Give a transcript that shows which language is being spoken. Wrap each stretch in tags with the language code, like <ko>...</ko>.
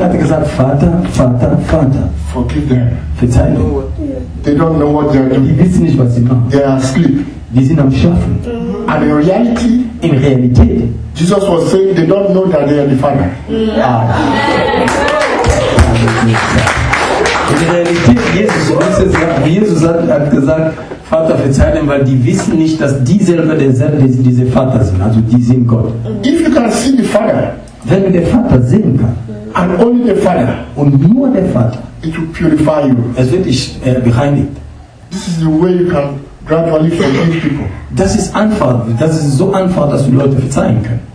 <de>Er hat gesagt, Vater, Vater, Vater.</de> <en>Forgive them.</en> <de>Verzeihen.</de> <en>They don't know what they are doing.</en> <de>Die wissen nicht, was sie machen.</de> <en>They are asleep.</en> <de>Die sind am Schlafen.</de> <en>And in reality,</en> <de>in Realität,</de> <en>Jesus was saying they don't know that they are the Father. Ah.</en> <de>In Realität, Jesus hat gesagt, Vater, verzeih ihnen, weil die wissen nicht, dass die selber derselbe diese Vater sind. Also die sind Gott.</de> <en>If you can see the Father,</en> <de>wenn der Vater sehen kann,</de> <en>and only the Father,</en> <de>und nur der Vater,</de> <en>it will purify you.</en> <de>Es wird dich bereinigt.</de> <en>This is the way you can gradually forgive people.</en> <de>Das ist einfach. Das ist so einfach, dass du Leute verzeihen kannst.</de>